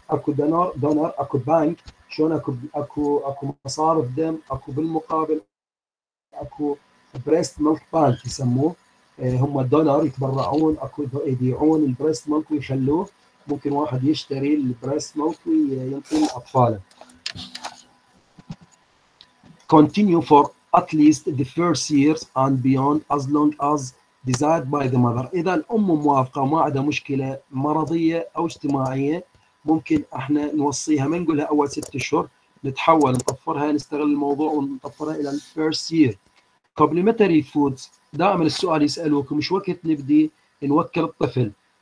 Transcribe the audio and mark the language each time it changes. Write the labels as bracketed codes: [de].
[ar] اكو دونر اكو بانك شلون اكو مصارف دم اكو بالمقابل اكو بريست ميلك بانك يسموه. هم الدونر يتبرعون اكو يبيعون البريست ميلك ويخلوه ممكن واحد يشتري البريست ميلك وينطي لاطفاله. [en] continue for at least the first years and beyond as long as desired by the mother. [ar] إذا الأم موافقة ما عندها مشكلة مرضية أو اجتماعية ممكن احنا نوصيها ما نقولها أول ست شهور نتحول نطفرها نستغل الموضوع ونطفرها إلى first year. Complimentary foods دائما السؤال يسألوكم مش وقت نبدي نوكل الطفل.